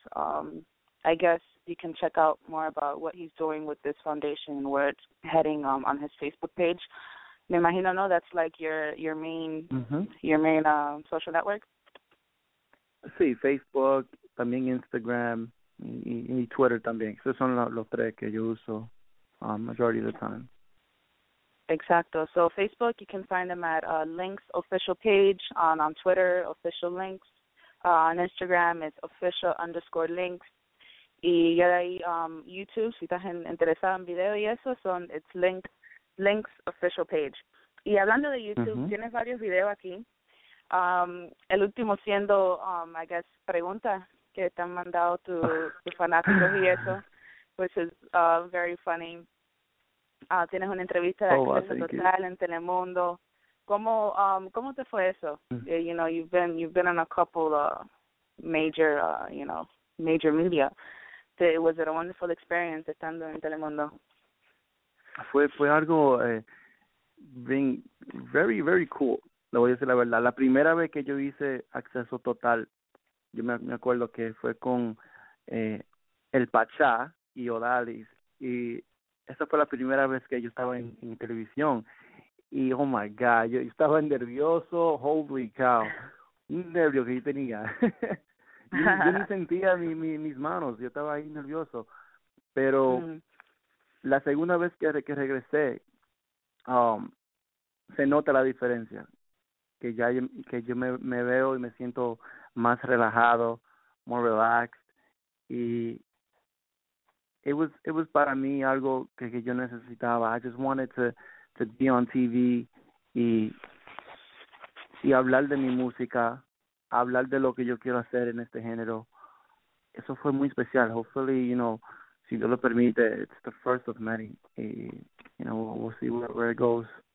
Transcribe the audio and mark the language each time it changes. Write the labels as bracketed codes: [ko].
[en] I guess you can check out more about what he's doing with this foundation and where it's heading on his Facebook page. [es] Me imagino, no, [en] that's like your main social network. [es] Sí, Facebook, también Instagram y Twitter también. Esos son los tres que yo uso [en] majority of the time. [es] Exacto. [en] So Facebook, you can find them at Links official page, on Twitter, official Links, on Instagram, it's official_links. [es] Y ya de ahí, YouTube, si estás interesado en video y eso, [en] it's Links official page. [es] Y hablando de YouTube, tienes varios videos aquí. El último siendo, [en] I guess, [es] preguntas que te han mandado tus fanáticos y eso, [en] which is very funny. [es] Tienes una entrevista de Acceso Total en Telemundo. ¿Cómo te fue eso? [en] You know, you've been on a couple major, you know, major media. Was it a wonderful experience [es] estando en Telemundo? Fue algo [en] being very, very cool. [es] Le voy a decir la verdad. La primera vez que yo hice Acceso Total, yo me acuerdo que fue con El Pachá y Odalis, y esa fue la primera vez que yo estaba en televisión, y [en] oh my God, [es] yo estaba nervioso, [en] holy cow, [es] un nervio que yo tenía. yo ni sentía mis manos, yo estaba ahí nervioso. Pero la segunda vez que regresé, se nota la diferencia, que ya yo me veo y me siento más relajado, [en] more relaxed, [es] y [en] it was [es] para mí algo que yo necesitaba. [en] I just wanted to be on TV [es] y hablar de mi música, hablar de lo que yo quiero hacer en este género. Eso fue muy especial. [en] Hopefully, you know, [es] si Dios lo permite, [en] it's the first of many. Y, you know, we'll see where it goes.